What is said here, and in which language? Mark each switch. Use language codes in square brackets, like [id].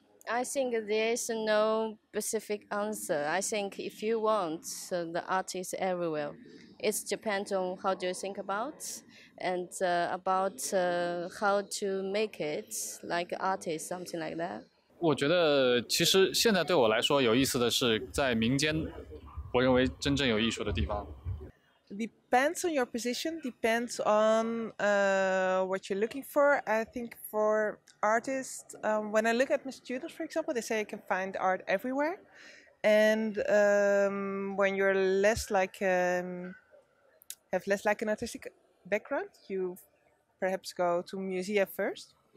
[en] I think there's no specific answer. I think if you want, the art is everywhere. It depends on how do you think about and about how to make it like artist, something like that. [zh] 我觉得其实现在对我来说有意思的是在民间我认为真正有艺术的地方。 [en] Depends on your position, depends on what you're looking for. I think for artists, when I look at my students, for example, they say you can find art everywhere. And when you're less like, have less like an artistic background, you perhaps go to museum first.